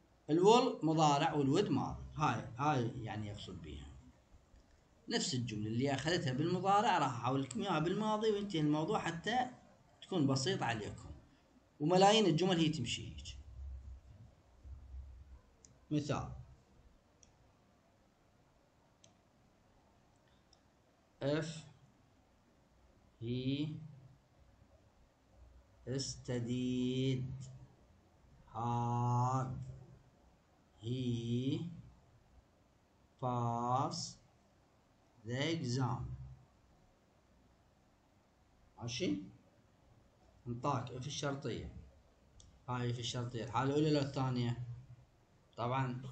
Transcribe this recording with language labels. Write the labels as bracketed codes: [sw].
[ar] الول مضارع والود ماضي، هاي يعني يقصد بيها نفس الجملة اللي أخذتها بالمضارع راح أحاول لكم إياها بالماضي وينتهي الموضوع حتى تكون بسيطة عليكم، وملايين الجمل هي تمشي هيك. مثال [en] if he studied hard he passed the exam. [ar] ماشي انطاك اف الشرطية، هاي اف الشرطية الحالة الأولى ولا الثانية؟ طبعا